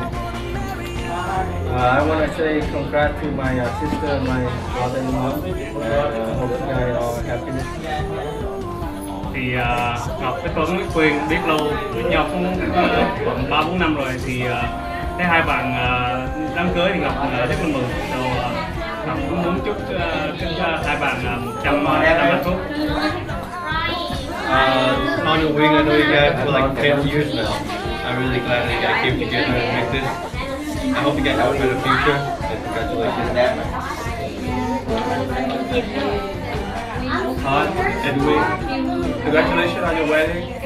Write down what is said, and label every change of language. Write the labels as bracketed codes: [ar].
[en] I want to say congrats to my sister and my father and mom. Hope you guys are happy. [vi] Thì Ngọc với Tuấn với Quyền biết lâu, với nhau cũng khoảng 3-4 năm rồi. Thì thấy hai bạn đám cưới thì Ngọc rất là mừng. Đầu, Ngọc cũng muốn chúc hai bạn 100 năm hạnh phúc. [en] On your wing, I know you guys for like 10 years now. I'm really glad that you guys came together and make this. I hope you guys have a better future. And congratulations, Dad. Han, Edwin, congratulations on your wedding.